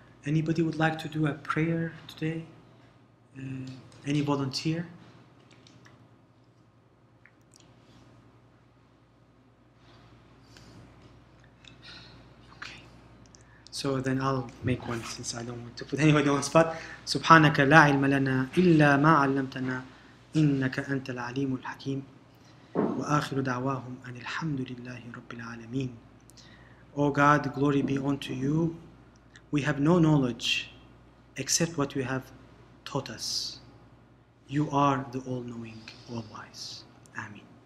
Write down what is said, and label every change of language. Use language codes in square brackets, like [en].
[en] Anybody would like to do a prayer today? Any volunteer? So then I'll make one since I don't want to put anybody on the spot. [ar] سبحانك لا علم لنا إلا ما علمتنا إنك أنت العليم الحكيم وآخر دعواهم أن الحمد لله رب العالمين. [en] O God, glory be unto you. We have no knowledge except what you have taught us. You are the all-knowing, all-wise. Amen.